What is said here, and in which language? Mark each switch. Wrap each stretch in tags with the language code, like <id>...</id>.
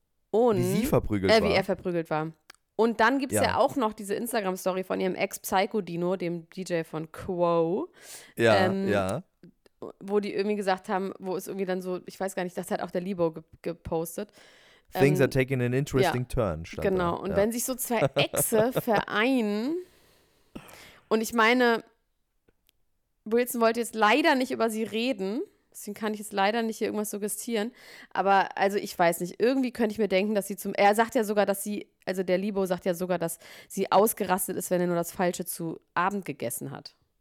<de>Und, wie sie verprügelt war. Wie er verprügelt war. Und dann gibt es ja auch noch diese Instagram-Story von ihrem Ex-Psycho-Dino, dem DJ von Quo. Ja, Wo die irgendwie gesagt haben, wo es irgendwie dann so, ich weiß gar nicht, das hat auch der Libo gepostet.</de> <en>Things are taking an interesting turn.</en> <de>Genau, Und wenn sich so zwei Exe vereinen, und ich meine, Wilson wollte jetzt leider nicht über sie reden, deswegen kann ich jetzt leider nicht hier irgendwas suggestieren, aber also ich weiß nicht, irgendwie könnte ich mir denken, dass sie zum, er sagt ja sogar, dass sie, also der Libo sagt ja sogar, dass sie ausgerastet ist, wenn er nur das Falsche zu Abend gegessen hat.</de>